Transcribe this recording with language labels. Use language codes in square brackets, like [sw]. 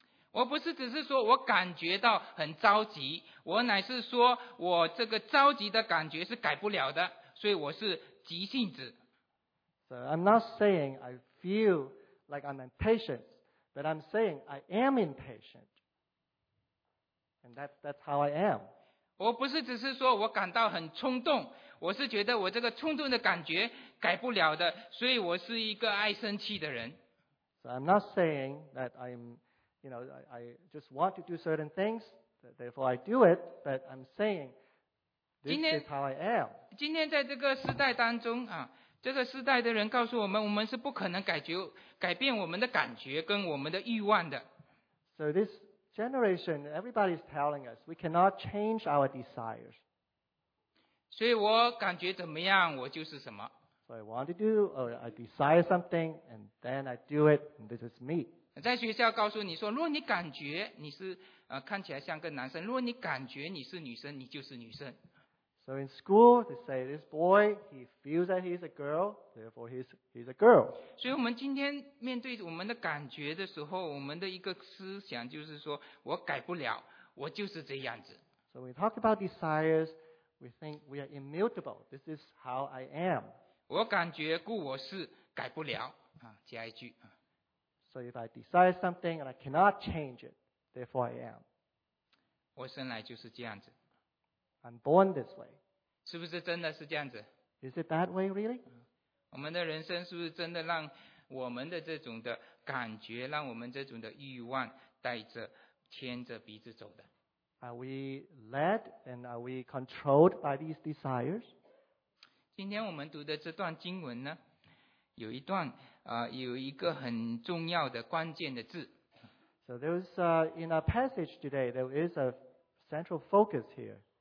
[zh] 我不是只是说我感觉到很着急，我乃是说我这个着急的感觉是改不了的，所以我是急性子。 [en] So I'm not saying I feel like I'm impatient, but I'm saying I am impatient, and that's how I am. [zh] 我不是只是说我感到很冲动，我是觉得我这个冲动的感觉改不了的，所以我是一个爱生气的人。 [en] So I'm not saying that You know, I just want to do certain things, therefore I do it, but I'm saying this is how I am. [zh] 今天在这个时代当中啊，这个时代的人告诉我们，我们是不可能改变我们的感觉跟我们的欲望的。 [en] So this generation, everybody is telling us we cannot change our desires. [zh] 所以我感觉怎么样，我就是什么。 [en] So I want to do, or I desire something, and then I do it, and this is me. [zh] 在学校告诉你说，如果你感觉你是看起来像个男生，如果你感觉你是女生，你就是女生。 [en] So in school they say this boy he feels that he's a girl, therefore he's a girl. [zh] 所以我们今天面对我们的感觉的时候，我们的一个思想就是说我改不了，我就是这样子。 [en] So we talk about desires, we think we are immutable. This is how I am. [zh] 我感觉故我是改不了啊，加一句啊。 [en] So if I decide something and I cannot change it, therefore I am. [zh] 我生来就是这样子。 [en] I'm born this way. [zh] 是不是真的是这样子？ [en] Is it that way really? [zh] 我们的人生是不是真的让我们的这种的感觉，让我们这种的欲望带着牵着鼻子走的？ [en] Are we led and are we controlled by these desires? [zh] 今天我们读的这段经文呢，有一段有一个很重要的关键的字。 [en] So there's in our passage today there is a central focus here.